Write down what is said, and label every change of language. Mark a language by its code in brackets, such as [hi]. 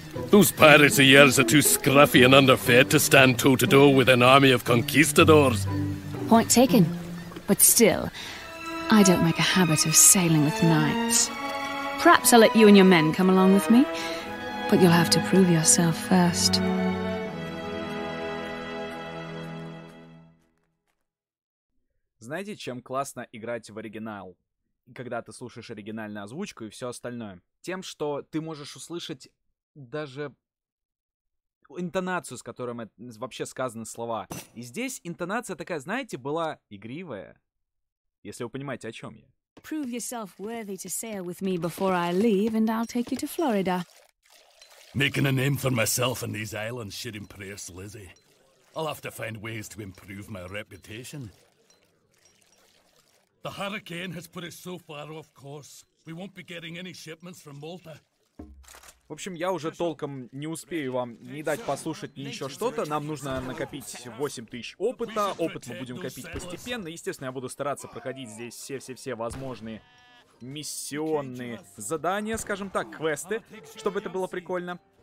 [en] Those pirates of yours are too scruffy and underfed to stand toe-to-toe with an army of conquistadors. Point taken. But still... I don't make a habit of sailing with knights. Perhaps I'll let you and your men come along with me, but you'll have to prove yourself first. [ru] Знаете, чем классно играть в оригинал? Когда ты слушаешь оригинальную озвучку и все остальное. Тем, что ты можешь услышать даже интонацию, с которой вообще сказаны слова. И здесь интонация такая, знаете, была игривая. Если вы понимаете, о чем я. [en] Prove yourself worthy to sail with me before I leave, and I'll take you to Florida. Making a name for myself on these islands should impress Lizzie. I'll have to find ways to improve my reputation. The hurricane has put us so far off course, we won't be getting any shipments from Malta. [ru] В общем, я уже толком не успею вам не дать послушать ни еще что-то. Нам нужно накопить 8000 опыта. Опыт мы будем копить постепенно. Естественно, я буду стараться проходить здесь все-все-все возможные миссионные задания, скажем так, квесты, чтобы это было прикольно.